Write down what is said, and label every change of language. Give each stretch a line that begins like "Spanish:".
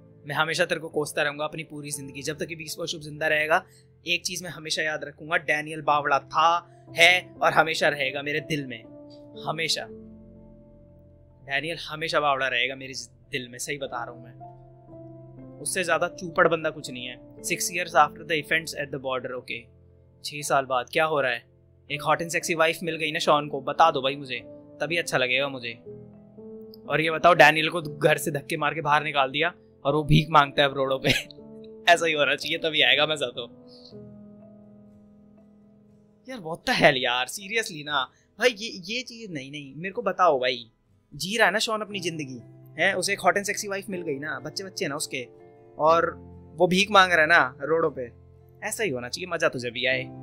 Hindi: मैं हमेशा तेरे को कोसता रहूँगा अपनी पूरी ज़िंदगी, जब तक कि BeastBoyShub जिंदा रहेगा एक चीज़ मैं हमेशा याद रखूँगा, डैनियल बावड़ा था, है और हमेशा रहेगा मेरे दिल में, हमेशा डैनियल हमेशा बावड़ा रहेगा मेरे दिल में, सही बता रहा हूँ मैं. उससे ज़्यादा चूपड़ बंदा कुछ नहीं है.
English: 6 years after the events at the border, okay.
Hindi: 6 साल बाद क्या हो रहा है? एक
English: hot and sexy wife
Hindi: मिल गई ना शॉन को, बता दो भाई मुझे, तभी अच्छा लगेगा मुझे. और ये बताओ, डैनियल को घर से धक्के मार के बाहर निकाल दिया और वो भीख मांगता है रोड़ों पे. ऐसा ही हो रहा चाहिए, तभी आएगा मजा. तो यार
English: what the hell
Hindi: यार, सीरियसली ना भाई, ये चीज नहीं मेरे को बताओ भाई, जी रहा है ना शॉन अपनी जिंदगी है, उसे एक
English: hot and sexy wife
Hindi: मिल गई ना, बच्चे बच्चे ना उसके, और वो भीख मांग रहा है ना रोडों पे, ऐसा ही होना चाहिए, मजा तुझे भी आए.